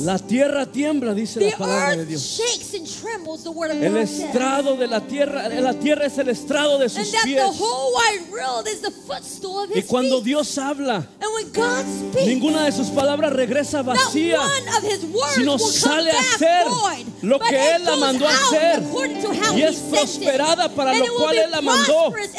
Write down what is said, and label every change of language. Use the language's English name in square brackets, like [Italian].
[Spanish] la tierra tiembla, dice la palabra de Dios. [English] The earth shakes and trembles, the word of God. [Spanish] El estrado de la tierra es el estrado de sus pies. [English] And that the whole wide world is the footstool of his feet. [Spanish] Y cuando Dios habla, [English] and when [Spanish] Ninguna de sus palabras regresa vacía, sino sale a hacer lo que Él la mandó a hacer y es prosperada para lo cual Él la mandó.